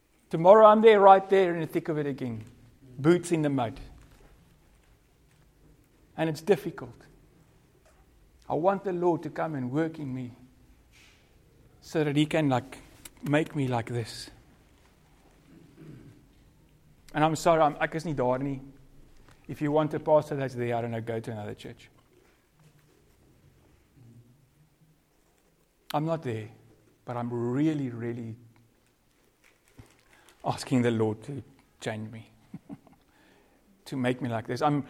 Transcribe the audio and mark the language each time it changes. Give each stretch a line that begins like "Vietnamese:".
English: Tomorrow I'm there, right there in the thick of it again. Boots in the mud. And it's difficult. I want the Lord to come and work in me. So that he can like make me like this. And I'm sorry,
Afrikaans: ek is nie daar nie.
English: If you want a pastor that's there, I don't know, go to another church. I'm not there, but I'm really, really asking the Lord to change me, to make me like this.